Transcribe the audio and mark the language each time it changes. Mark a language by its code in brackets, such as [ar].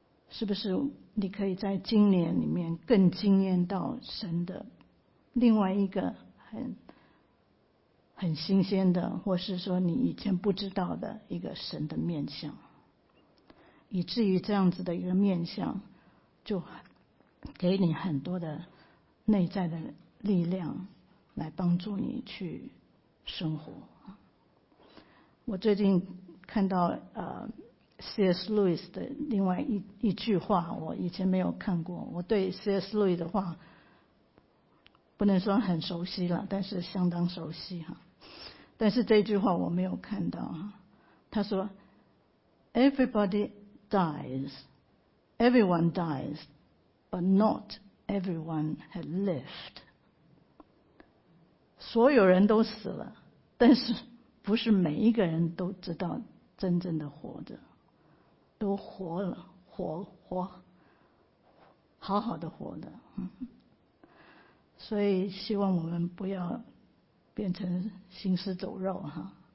[zh] 是不是你可以在今年里面更惊艳到神的另外一个很新鲜的，或是说你以前不知道的一个神的面相，以至于这样子的一个面相就给你很多的内在的力量来帮助你去生活。我最近看到C.S. Lewis 的另外 一句话，我以前没有看过，我对 C.S. Lewis 的话不能说很熟悉了，但是相当熟悉哈。但是这句话我没有看到，他说 [en] Everybody dies, everyone dies, but not everyone has lived. [zh] 所有人都死了，但是不是每一个人都知道真正的活着，都活了，活好好的活的。所以希望我们不要变成行尸走肉哈。